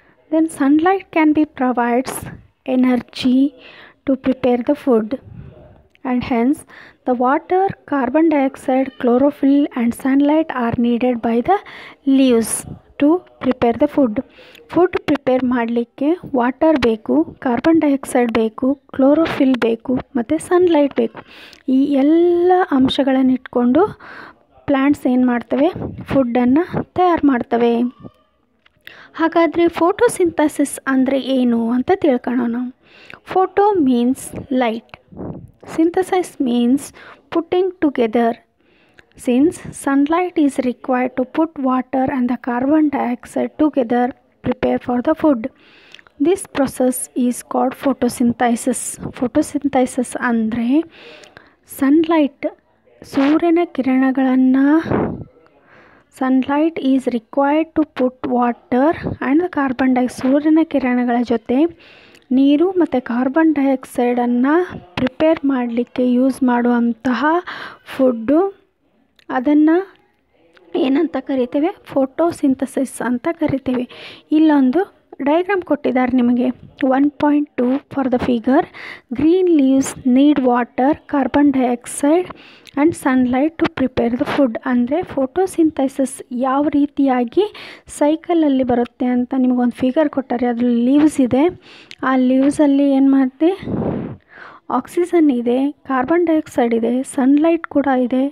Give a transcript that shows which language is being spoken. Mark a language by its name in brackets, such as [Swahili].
[English] Then sunlight can be provides energy to prepare the food, and hence the water, carbon dioxide, chlorophyll and sunlight are needed by the leaves to prepare the food. Food prepare [Kannada] ಮಾಡಲಿಕ್ಕೆ water ಬೇಕು, carbon dioxide ಬೇಕು, chlorophyll ಬೇಕು ಮತ್ತು sunlight ಬೇಕು. ಈ ಎಲ್ಲ ಅಂಶಗಳನ್ನು ಇಟ್ಕೊಂಡು ಪ್ಲ್ಯಾಂಟ್ಸ್ ಏನು ಮಾಡ್ತವೆ, ಫುಡ್ಡನ್ನು ತಯಾರು ಮಾಡ್ತವೆ. ಹಾಗಾದರೆ ಫೋಟೋಸಿಂಥಸಿಸ್ ಅಂದರೆ ಏನು ಅಂತ ತಿಳ್ಕೊಳ್ಳೋಣ. [English] Photo means light, synthesize means putting together. Since sunlight is required to put water and the carbon dioxide together prepare for the food, this process is called photosynthesis. [Kannada] Photosynthesis andre sunlight, surena kiranagalanna, [English] sunlight is required to put water and the carbon dioxide, [Kannada] surena kiranagala jothe ನೀರು ಮತ್ತು carbon ಡೈಆಕ್ಸೈಡನ್ನು prepare ಮಾಡಲಿಕ್ಕೆ use ಮಾಡುವಂತಹ food, ಅದನ್ನು ಏನಂತ ಕರಿತೇವೆ, photosynthesis ಅಂತ ಕರಿತೇವೆ. ಇಲ್ಲೊಂದು ಡಯಾಗ್ರಾಮ್ ಕೊಟ್ಟಿದ್ದಾರೆ ನಿಮಗೆ. 1.2 [English] For the figure. Green leaves need water, carbon dioxide and sunlight to prepare the food. [Kannada] ಅಂದರೆ ಫೋಟೋಸಿಂಥಸಿಸ್ ಯಾವ ರೀತಿಯಾಗಿ ಸೈಕಲಲ್ಲಿ ಬರುತ್ತೆ ಅಂತ ನಿಮಗೊಂದು ಫಿಗರ್ ಕೊಟ್ಟಾರೆ. ಅದರಲ್ಲಿ ಲೀವ್ಸ್ ಇದೆ, ಆ ಲೀವ್ಸಲ್ಲಿ ಏನು ಮಾಡ್ತೀವಿ, ಆಕ್ಸಿಜನ್ ಇದೆ, ಕಾರ್ಬನ್ ಡೈಆಕ್ಸೈಡ್ ಇದೆ, ಸನ್ಲೈಟ್ ಕೂಡ ಇದೆ.